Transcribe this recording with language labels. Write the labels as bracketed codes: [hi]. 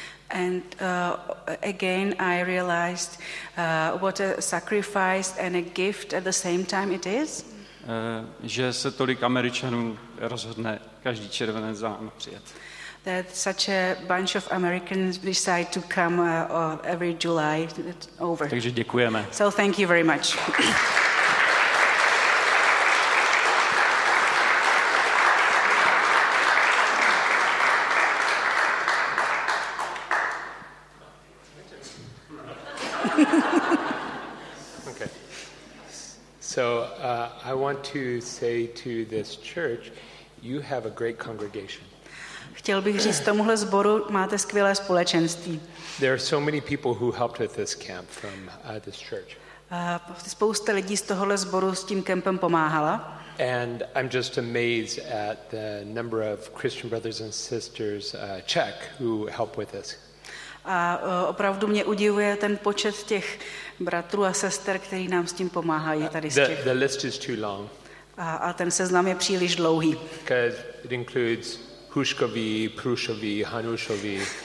[en] And again I realized what a sacrifice and a gift at the same time it is. [cs] Že se tolik Američanů rozhodne každý červený zájem přijet. [en] That such a bunch of Americans decide to come every July over. [cs] Takže děkujeme. [en] So thank you very much. Okay. So I want to say to this church, you have a great congregation. [cs] Chtěl bych říct tomuhle sboru, máte skvělé společenství. [en] There are so many people who helped with this camp from this church. [cs] Spousta lidí z tohohle sboru s tím kempem pomáhala. [en] And I'm just amazed at the number of Christian brothers and sisters Czech who help with this. [cs] A opravdu mě udivuje ten počet těch bratrů a sester, kteří nám s tím pomáhají tady z Čech. [en] The list is too long. [cs] A ten seznam je příliš dlouhý. [en] Because it includes Huškovi, Prušovi, Hanušovi.